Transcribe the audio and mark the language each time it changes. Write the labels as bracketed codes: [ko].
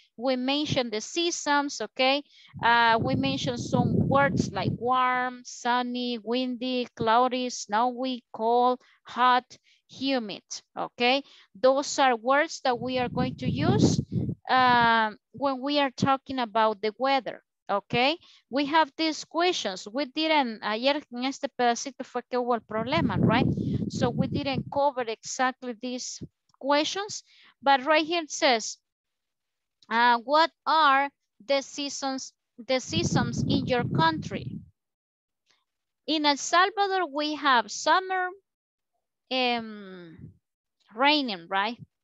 [en] We mention the seasons, okay? We mention some words like warm, sunny, windy, cloudy, snowy, cold, hot, humid, okay? Those are words that we are going to use when we are talking about the weather, okay? We have these questions. We didn't, [es] ayer en este pedacito fue que hubo el problema, right? [en] So we didn't cover exactly these questions, but right here it says, what are the seasons in your country? In El Salvador, we have summer raining, right?